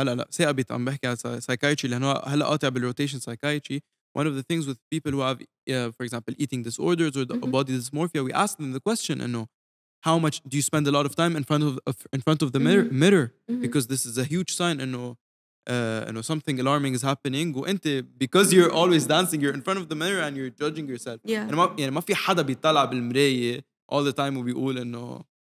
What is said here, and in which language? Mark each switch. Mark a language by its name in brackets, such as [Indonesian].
[Arabic] سيابيت عم بحكي على psychiatry لأنه هلأ قاطع بالروتيشن psychiatry. [English] One of the things with people who have, for example, eating disorders or body dysmorphia, we ask them the question, you know, how much do you spend a lot of time in front of the mirror? Because this is a huge sign, you know, something alarming is happening. وأنت, because you're always dancing, you're in front of the mirror and you're judging yourself. Yeah. [Arabic] يعني ما في حدا بيطلع بالمراية [English] all the time [Arabic] وبيقول إنه